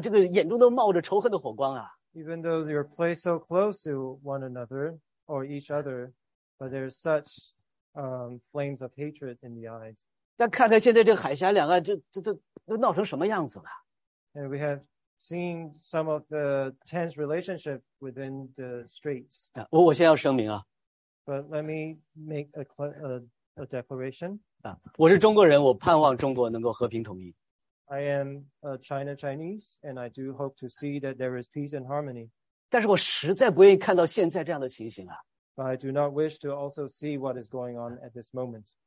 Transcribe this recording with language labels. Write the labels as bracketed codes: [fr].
[zh] 对对对，还有Duke UNC。我感谢神，来到教会里面，大家就这个化干戈为玉帛啊！离得这么近，但是互相啊，这个眼中都冒着仇恨的火光啊。 [en] Even though you're placed so close to one another or each other, but there's such flames of hatred in the eyes. [zh] 但看看现在这个海峡两岸，这都闹成什么样子了？ [en] And we have seeing some of the tense relationship within the straits. [zh] 我先要声明啊。 [en] But let me make a declaration. [zh] 我是中国人，我盼望中国能够和平统一。 [en] I am a China Chinese, and I do hope to see that there is peace and harmony. [zh] 但是我实在不愿意看到现在这样的情形啊。 [en] But I do not wish to also see what is going on at this moment.